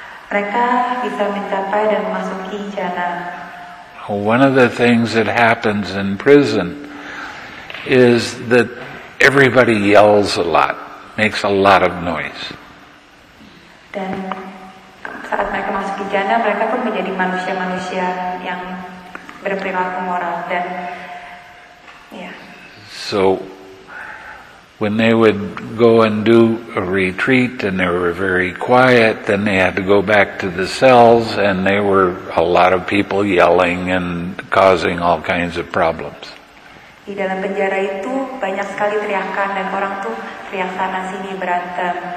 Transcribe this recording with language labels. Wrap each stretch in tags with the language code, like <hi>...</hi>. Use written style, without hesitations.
<id>Mereka bisa mencapai dan memasuki jhana.</id> <en>One of the things that happens in prison is that everybody yells a lot, makes a lot of noise.</en> <id>Dan saat mereka masuk ke jhana, mereka pun menjadi manusia-manusia yang berperilaku moral dan</id> <en>So when they would go and do a retreat and they were very quiet, then they had to go back to the cells and there were a lot of people yelling and causing all kinds of problems.</en> <id>Di dalam penjara itu banyak sekali teriakan dan orang tuh teriak sana sini berantem.</id>